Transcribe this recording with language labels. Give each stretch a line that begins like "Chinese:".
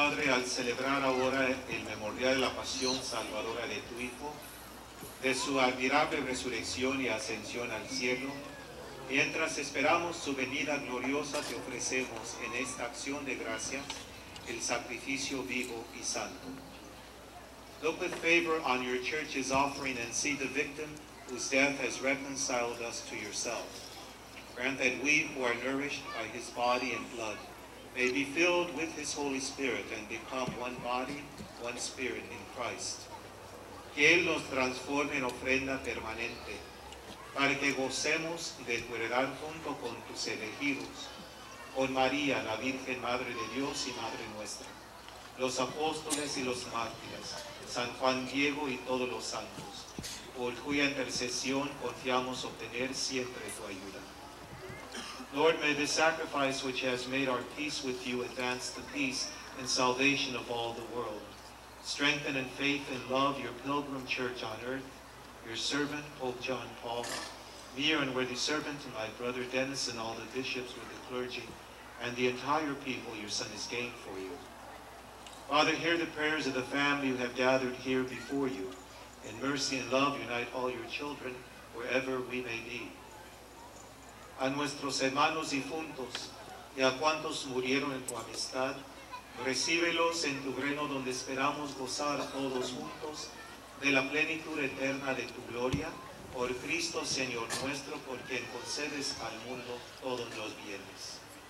Spanish: Al celebrar ahora el memorial de la pasión salvadora de tu Hijo, de su admirable resurrección y ascensión al cielo, mientras esperamos su venida gloriosa, te ofrecemos en esta acción de gracias el sacrificio vivo y santo.
English: Look with favor on your church's offering and see the victim whose death has reconciled us to yourself. Grant that we who are nourished by his body and blood may be filled with his Holy Spirit and become one body, one spirit in Christ.
Spanish: Que él nos transforme en ofrenda permanente, para que gocemos de tu heredad junto con tus elegidos, con María, la Virgen Madre de Dios y Madre Nuestra, los apóstoles y los mártires, San Juan Diego y todos los santos, por cuya intercesión confiamos obtener siempre tu ayuda.
English: Lord, may the sacrifice which has made our peace with you advance the peace and salvation of all the world. Strengthen in faith and love your pilgrim church on earth, your servant, Pope John Paul, dear and worthy servant to my brother Dennis and all the bishops with the clergy, and the entire people your son has gained for you. Father, hear the prayers of the family you have gathered here before you. In mercy and love, unite all your children wherever we may be.
Spanish: A nuestros hermanos difuntos y a cuantos murieron en tu amistad, recíbelos en tu reino donde esperamos gozar todos juntos de la plenitud eterna de tu gloria, por Cristo Señor nuestro, por quien concedes al mundo todos los bienes.